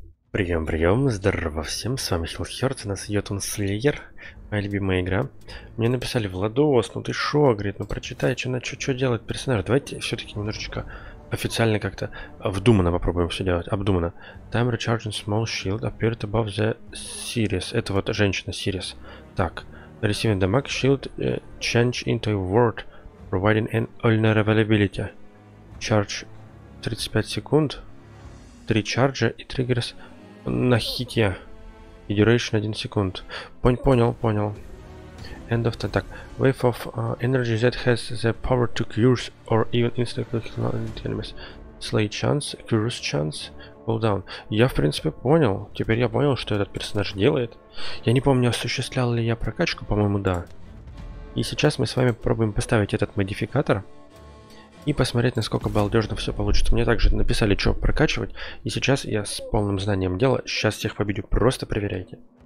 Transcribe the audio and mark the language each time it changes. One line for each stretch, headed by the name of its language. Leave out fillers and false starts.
Russian: Прием, прием, здорово всем, с вами Хилхерт, у нас идет он Слеер, моя любимая игра. Мне написали: Владос, ну ты шо, говорит, ну прочитай, что делать персонаж. Давайте все-таки немножечко официально как-то обдуманно попробуем все делать, обдуманно.
English: Time recharging small shield appeared above the Sirius,
Russian: это вот женщина Sirius.
English: Так, receiving damage shield change into a ward, providing an invulnerability.
Russian: Charge 35 секунд. Три чарджа и триггерс на хите. И duration 1 секунд. Понял.
English: End of attack. Wave of energy that has the power to cure or even instantly kill enemies. Slay chance, cure chance, cooldown.
Russian: Я в принципе понял. Теперь я понял, что этот персонаж делает. Я не помню, осуществлял ли я прокачку, по-моему, да. И сейчас мы с вами попробуем поставить этот модификатор. И посмотреть, насколько балдежно все получится. Мне также написали, что прокачивать. И сейчас я с полным знанием дела сейчас всех победю. Просто проверяйте.